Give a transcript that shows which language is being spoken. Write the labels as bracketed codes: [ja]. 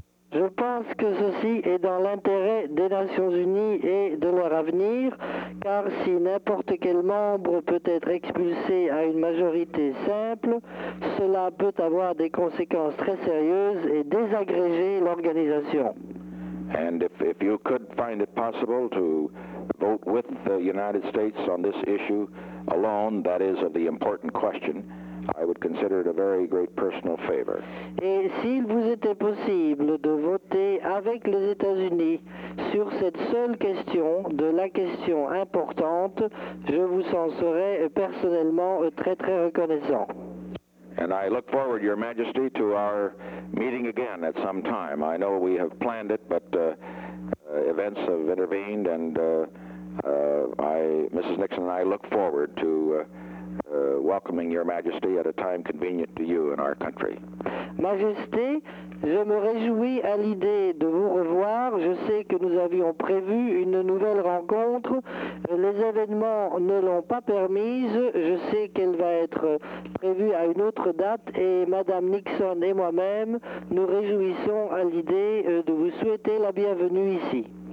[fr] Je pense que ceci est dans l'intérêt des Nations Unies et de leur avenir, car si n'importe quel membre peut être expulsé à une majorité simple, cela peut avoir des conséquences très sérieuses et désagréger l'organisation. [en] And if you could find it possible to vote with the United States on this issue alone, that is of the important question, I would consider it a very great personal favor. [fr] Et s'il vous était possible de voter avec les États-Unis sur cette seule question de la question importante, je vous en serais personnellement très très reconnaissant. [en] And I look forward, Your Majesty, to our meeting again at some time. I know we have planned it, but events have intervened, and Mrs. Nixon and I look forward to welcoming Your Majesty at a time convenient to you and our country. [fr] Majesté, je me réjouis à l'idée de vous revoir. Je sais que nous avions prévu une nouvelle rencontre. Les événements ne l'ont pas permise. Je sais qu'elle va être prévue à une autre date et Madame Nixon et moi-même nous réjouissons à l'idée de vous souhaiter la bienvenue ici.